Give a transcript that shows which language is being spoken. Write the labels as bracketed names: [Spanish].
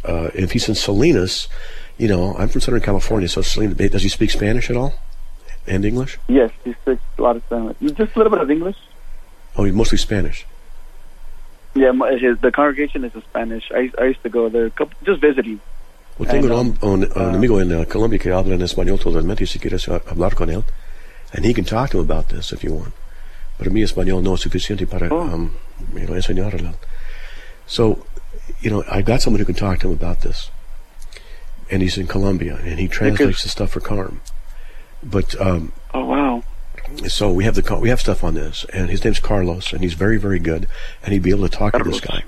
[English] If he's in Salinas, you know, I'm from Southern California, so Salinas, does he speak Spanish at all? And English? Yes, he speaks a lot of Spanish. Just a little bit of English. Oh, he's mostly Spanish. Yeah, the congregation is in Spanish. I used to go there, just visiting. [Spanish] Well, tengo un amigo en Colombia que habla en español totalmente, si quieres hablar con él. [English] And he can talk to him about this if you want. [Spanish] Pero mi español no es suficiente para enseñarle. [English] So, you know, I've got someone who can talk to him about this. And he's in Colombia, and he translates the stuff for Carm. But so we have stuff on this, and his name's Carlos, and he's very, very good, and he'd be able to talk to this guy.